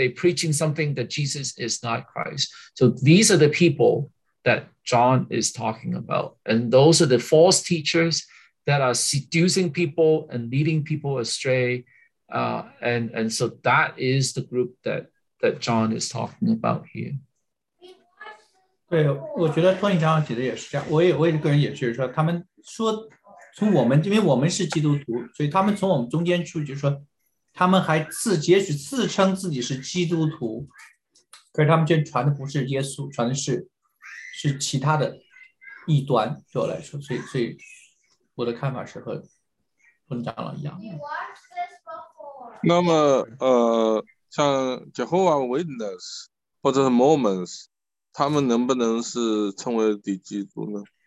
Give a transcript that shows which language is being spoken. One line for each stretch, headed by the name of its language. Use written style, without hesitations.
English: They're preaching something that Jesus is not Christ. So these are the people that John is talking about. And those are the false teachers that are seducing people and leading people astray. And so that is the group that John is talking about here.
Chinese: 对，我觉得托尼刚刚举的也是这样，我个人也是说，他们说从我们，因为我们是基督徒，所以他们从我们中间出去，就说他们还也许自称自己是基督徒，可是他们却传的不是耶稣，传的是其他的异端，对我来说，所以我的看法是和托尼长老一样。那么像 Jehovah Witness 或者是 Mormons。他们能不能是称为敌基督呢？